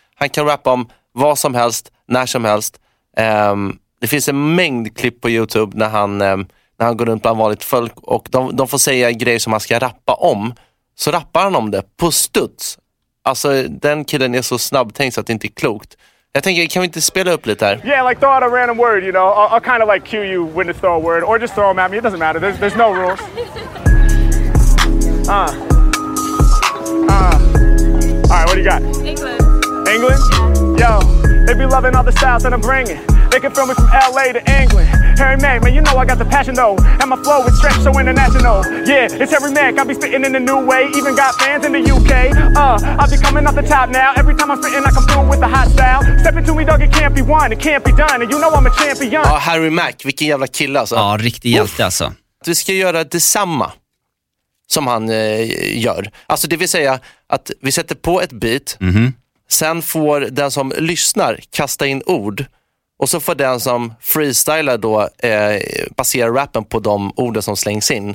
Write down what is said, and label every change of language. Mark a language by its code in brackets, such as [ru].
[sv] Han kan rappa om vad som helst, när som helst. Det finns en mängd klipp på YouTube när han går runt bland vanligt folk och de får säga grejer som han ska rappa om. Så rappar han om det på studs. Alltså den killen är så snabbtänkt så att det inte är klokt. Jag tänker, kan vi inte spela upp lite här? [en] Yeah, like throw out a random word, you know. I'll kind of like cue you when to throw a word or just throw them at me. It doesn't matter. There's no rules. All right, what do you got? England. Yeah. Yo, they be loving all the styles that I'm bringing. They can film me from L.A. to England. Harry Mack, man, you know I got the passion, though. And my flow is trash, so international. Yeah, it's Harry Mack. I be spitting in a new way. Even got fans in the U.K. I be coming off the top now. Every time I'm spitting, I come through with a hot style. Step into me, dog, it can't be won. It can't be done. And you know I'm a champion. [sv] Ja, Harry Mack, vilken jävla kille, alltså. Ja, riktig hjälte, alltså. Du ska göra detsamma som han gör. Alltså det vill säga att vi sätter på ett beat. Mm-hmm. Sen får den som lyssnar kasta in ord. Och så får den som freestylar då basera rappen på de orden som slängs in.